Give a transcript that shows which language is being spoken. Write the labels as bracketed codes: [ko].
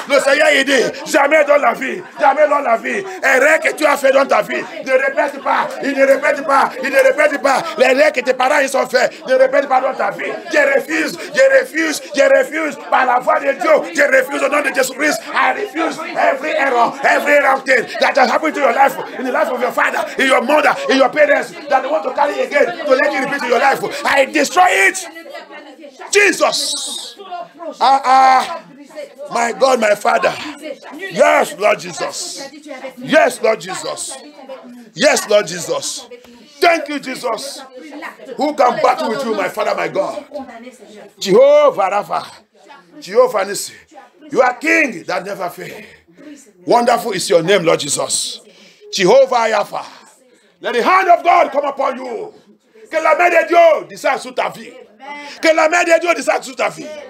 [fr] Le Seigneur il dit, jamais dans la vie, jamais dans la vie. Erreur que tu as fait dans ta vie, ne répète pas, il ne répète pas, il ne répète pas. L'erreur que tes parents ils ont fait, ne répète pas dans ta vie. Je refuse, je refuse, je refuse par la voix de Dieu, je refuse au nom de Jésus Christ. [en] I refuse every error, every wrong thing that has happened to your life, in the life of your father, in your mother, in your parents, that they want to carry again, to let you repeat in your life. I destroy it. Jesus. My God, my Father. Yes, Lord Jesus. Yes, Lord Jesus. Yes, Lord Jesus. Thank you, Jesus. Who can battle with you, my Father, my God? Jehovah Rapha. Jehovah Nissi. You are King that never fails. Wonderful is your name, Lord Jesus. Jehovah Yapha. Let the hand of God come upon you. [fr] Que la main de Dieu descende sur ta vie. Que la main de Dieu descende sur ta vie.